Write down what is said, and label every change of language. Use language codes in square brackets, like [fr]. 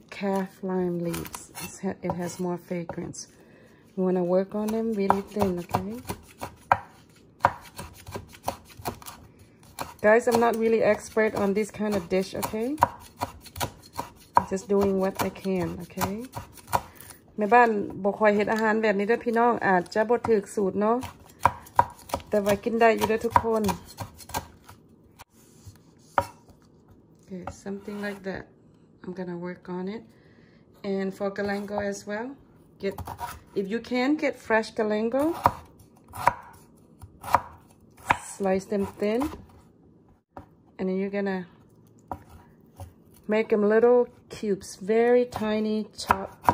[en] Calf lime leaves. It has more fragrance. You want to work on them really thin, okay? Guys, I'm not really expert on this kind of dish, okay? I'm just doing what I can, okay? [tts] แม่บ้านบ่ค่อยเฮ็ดอาหารแบบนี้ด้วยพี่น้องอาจจะบ่ถูกสูตรเนาะแต่ว่ากินได้อยู่ด้วยทุกคน [en] Okay, something like that. I'm gonna work on it. And for galangal as well, if you can get fresh galangal, slice them thin. And then you're gonna make them little cubes, very tiny chop.